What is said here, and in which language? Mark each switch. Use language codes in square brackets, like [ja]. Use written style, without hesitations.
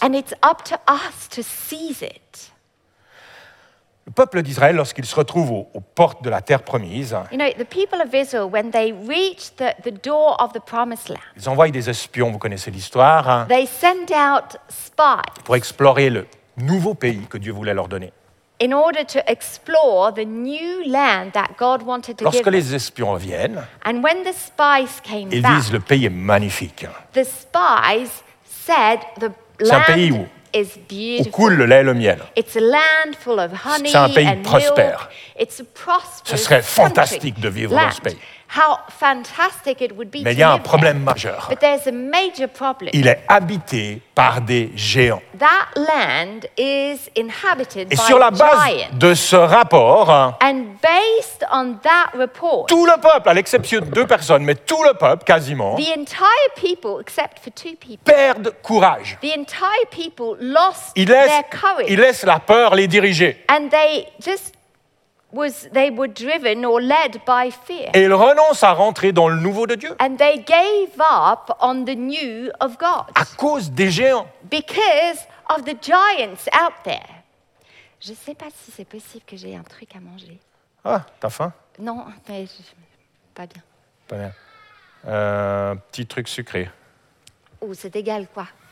[en] And it's up to us to seize it. [fr] Le peuple d'Israël, lorsqu'il se retrouve aux portes de la terre promise, [en] you know, the people of Israel, when they reach the door of the promised land, [fr] ils envoient des espions, vous connaissez l'histoire, hein, [en] they send out spies [fr] pour explorer le nouveau pays que Dieu voulait leur donner. [en] In order to explore the new land that God wanted to give them. [fr] Lorsque les espions reviennent, [en] and when the spies came [fr] ils disent le pays est magnifique. [en] The spies said the land is beautiful. [fr] Où coule le lait et le miel. [en] It's a land full of honey. [fr] C'est un pays prospère. [en] It's a prosperous [fr] ce serait [en] country. [fr] Fantastique de vivre [en] land. [fr] Dans ce pays. [en] How fantastic it would be. [fr] Mais il y a un problème majeur. [en] But there's a major problem. [fr] Il est habité par des géants. [en] That land is inhabited [fr] et [en] by [fr] sur la base [en] giants. [fr] De ce rapport, [en] and based on that report, [fr] tout le peuple, à l'exception de deux personnes, mais tout le peuple quasiment, [en] the entire people, except for two people, [fr] perdent courage. [en] The entire people lost their courage. [fr] Ils laissent la peur les diriger. [en] And they just they were driven or led by fear. [fr] Et ils renoncent à rentrer dans le nouveau de Dieu. [en] And they gave up on the new of God. [fr] À cause des géants. [en] Because of the giants out there. [fr] Je sais pas si c'est possible que j'ai un truc à manger. Ah, t'as faim? Non, mais je... pas bien. Pas bien. Petit truc sucré. Oh, c'est égal, quoi.